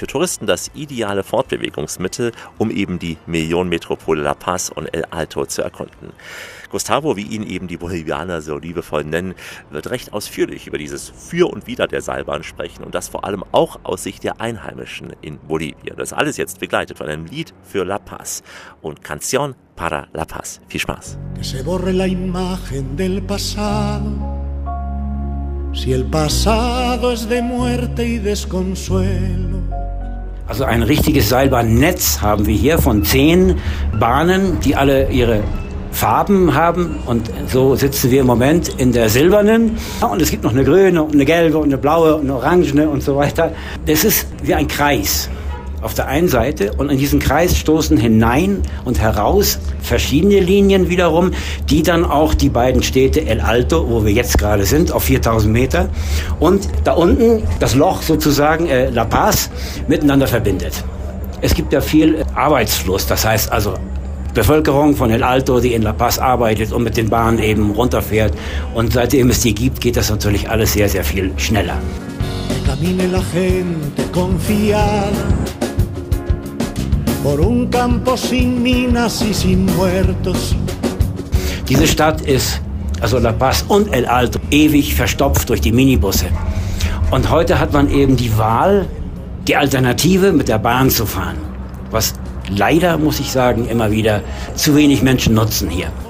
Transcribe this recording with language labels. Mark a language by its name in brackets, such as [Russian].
[German] Für Touristen das ideale Fortbewegungsmittel, um eben die Millionenmetropole La Paz und El Alto zu erkunden. Gustavo, wie ihn eben die Bolivianer so liebevoll nennen, wird recht ausführlich über dieses Für und Wider der Seilbahn sprechen und das vor allem auch aus Sicht der Einheimischen in Bolivien. Das alles jetzt begleitet von einem Lied für La Paz und Canción para La Paz. Viel Spaß. [Spanish] Que se borre la imagen del pasado, si el pasado es de muerte y desconsuelo. [German] Also ein richtiges Seilbahnnetz haben wir hier von 10 Bahnen, die alle ihre Farben haben und so sitzen wir im Moment in der silbernen und es gibt noch eine grüne und eine gelbe und eine blaue und eine orangene und so weiter. Das ist wie ein Kreis auf der einen Seite und in diesen Kreis stoßen hinein und heraus verschiedene Linien wiederum, die dann auch die beiden Städte El Alto, wo wir jetzt gerade sind, auf 4000 Meter und da unten das Loch sozusagen La Paz miteinander verbindet. Es gibt ja viel Arbeitsfluss, das heißt also Bevölkerung von El Alto, die in La Paz arbeitet und mit den Bahnen eben runterfährt. Und seitdem es die gibt, geht das natürlich alles sehr, sehr viel schneller. [Spanish] Camine la gente confiada por un campo sin minas y sin muertos. [German] Diese Stadt ist, also La Paz und El Alto, ewig verstopft durch die Minibusse. Und heute hat man eben die Wahl, die Alternative mit der Bahn zu fahren. Was leider, muss ich sagen, immer wieder zu wenig Menschen nutzen hier.